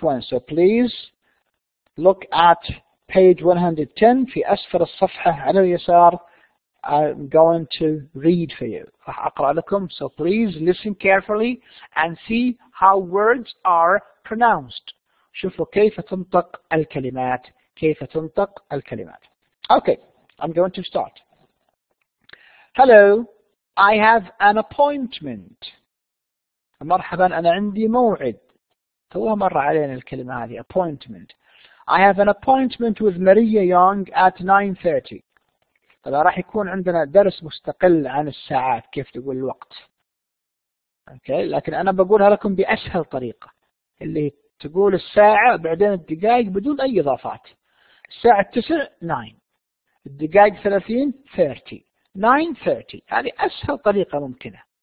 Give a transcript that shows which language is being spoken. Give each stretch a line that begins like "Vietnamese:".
English: So please look at page 110
Arabic: في أسفل الصفحة على اليسار.
English: I'm going to read for you.
Arabic: راح أقرأ لكم.
English: So please listen carefully and see how words are pronounced.
Arabic: شوفوا كيف تنطق الكلمات. كيف تنطق الكلمات.
English: Okay, I'm going to start. Hello, I have an appointment.
Arabic: مرحبا أنا عندي موعد. توها مرة علينا الكلمة هذه appointment.
English: I have an appointment with Maria Young at 9:30.
Arabic: طبعا راح يكون عندنا درس مستقل عن الساعات كيف تقول الوقت. Okay, لكن أنا بقولها لكم بأسهل طريقة اللي تقول الساعة بعدين الدقائق بدون أي إضافات. الساعة 9 9 الدقائق 30 30 9:30 هذه أسهل طريقة ممكنة.